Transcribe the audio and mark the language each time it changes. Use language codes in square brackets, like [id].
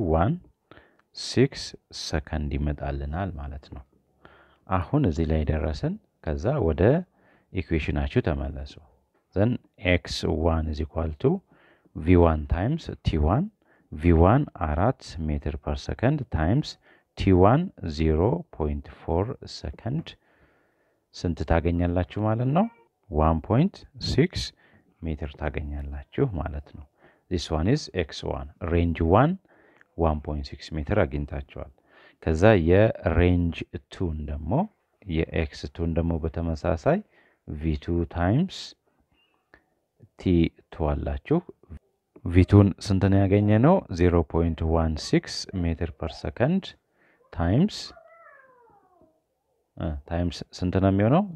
[am] 0.316 second ይመጣልናል ማለት ነው. አሁን እዚ ላይ ደረሰን. ከዛ ወደ ኢኩዌሽናችሁ ተመለሱ. [en] then x1 is equal to v1 times t1. v1 4 meter per second times t1 0.4 second. [am] ስንት ታገኛላችሁ ማለት ነው? 1.6 meter ታገኛላችሁ ማለት ነው. [en] this one is x1. [am] range 1 1.6 meter አግኝታችኋል. ከዛ የrange 2ን ደሞ የx2ን ደሞ በተመሳሳይ v2 times T2 አላችሁ. V2ን ስንት ነው ያገኘነው? [en] 0.16 meter per second times times [am] ስንት ነው የሚሆነው?